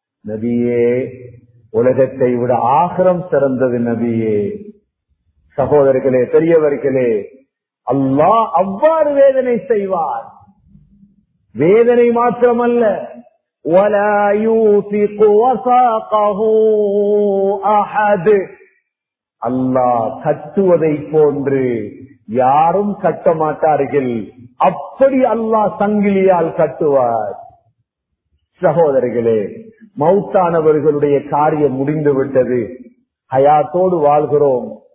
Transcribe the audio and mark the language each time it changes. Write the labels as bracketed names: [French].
[Tamil] நபியே, உலகத்தை விட ஆகரம் சிறந்தது நபியே. சகோதரர்களே, பெரியவர்களே, அல்லாஹ் அவ்வாறு வேதனை செய்வார். வேதனை மாத்திரமல்ல, [Arabic] وَلَا يُوثِقُ وَثَاقَهُ أَحَدٌ. [Tamil] அல்லாஹ் கட்டுவதை போன்று யாரும் கட்ட மாட்டார்கள். அப்படி அல்லாஹ் சங்கிலியால் கட்டுவார். சகோதரர்களே, மௌத்தானவர்களுடைய காரியம் முடிந்து விட்டது, ஹயாத்தோடு வாழ்கிறோம்.